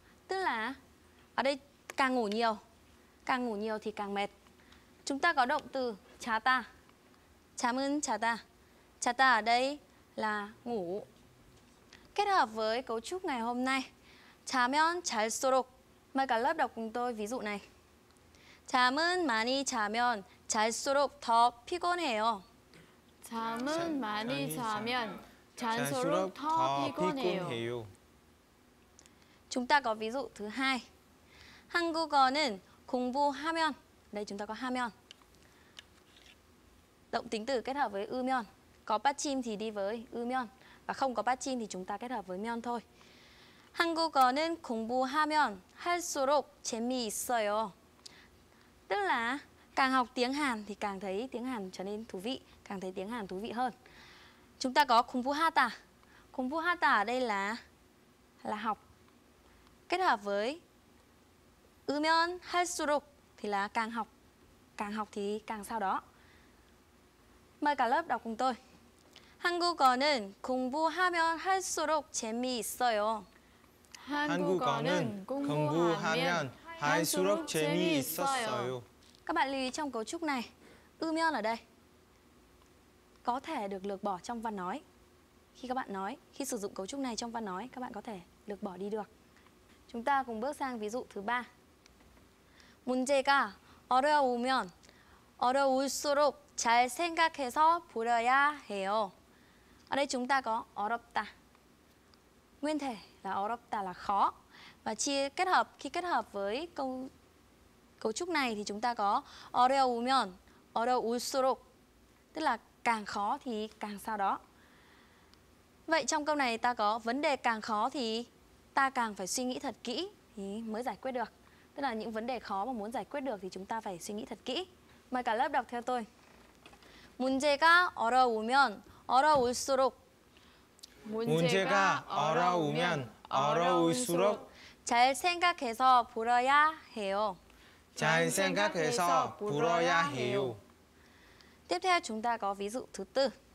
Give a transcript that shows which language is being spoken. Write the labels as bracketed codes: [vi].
[vi] Tức là ở đây càng ngủ nhiều thì càng mệt. Chúng ta có động từ 자다. [ko] 잠은 자다. [vi] 자다 ở đây là ngủ. Kết hợp với cấu trúc ngày hôm nay, [ko] 자면 잘수록. [vi] Mời cả lớp đọc cùng tôi ví dụ này. [ko] 잠은 많이 자면 잘수록 더 피곤해요. 잠은 많이 자면 잘수록 더 피곤해요. [vi] Chúng ta có ví dụ thứ hai. [ko] 한국어는 공부하면. [vi] Đây chúng ta có 하면. Động tính từ kết hợp với 으면. Có 받침 thì đi với 으면. Và không có 받침 thì chúng ta kết hợp với 면 thôi. [ko] 한국어는 공부하면 할수록 재미있어요. [vi] Tức là càng học tiếng Hàn thì càng thấy tiếng Hàn trở nên thú vị, càng thấy tiếng Hàn thú vị hơn. Chúng ta có 공부하다. 공부하다 ở đây là học. Kết hợp với [ko] 으면 할수록 [vi] thì là càng học. Càng học thì càng sau đó. Mời cả lớp đọc cùng tôi. [ko] 한국어는 공부하면 할수록 재미있어요. 한국어는 공부하면 할수록 재미있어요. [vi] Các bạn lưu ý trong cấu trúc này, 으면 ở đây có thể được lược bỏ trong văn nói. Khi các bạn nói, khi sử dụng cấu trúc này trong văn nói, các bạn có thể lược bỏ đi được. Chúng ta cùng bước sang ví dụ thứ 3. [ko] 문제가 어려우면 어려울수록 잘 생각해서 풀어야 해요. [vi] Ở đây chúng ta có 어렵다. Nguyên thể là 어렵다 là khó. Và khi kết hợp với cấu trúc này thì chúng ta có [ko] 어려우면 어려울수록. [vi] Tức là càng khó thì càng sao đó. Vậy trong câu này ta có vấn đề càng khó thì ta càng phải suy nghĩ thật kỹ thì mới giải quyết được. Tức là những vấn đề khó mà muốn giải quyết được thì chúng ta phải suy nghĩ thật kỹ. Mời cả lớp đọc theo tôi. [ko] 문제가 어려우면 어려울수록 문제가 어려우면 어려울수록 잘 생각해서 풀어야 해요. 잘 생각해서 풀어야 해요. [vi] Tiếp theo chúng ta có ví dụ thứ tư.